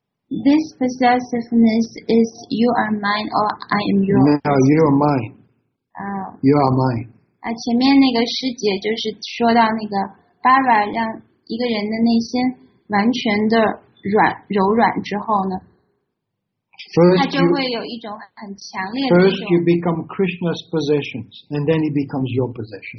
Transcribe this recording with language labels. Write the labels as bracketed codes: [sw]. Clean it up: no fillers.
[en] This possessiveness is you are mine or I am yours. No, you are mine. You are mine. [zh] 前面那个师姐就是说到那个 Bhava 让一个人的内心完全的柔软之后呢，他就会有一种很强烈的。 [en] First you become Krishna's possessions, and then it becomes your possession.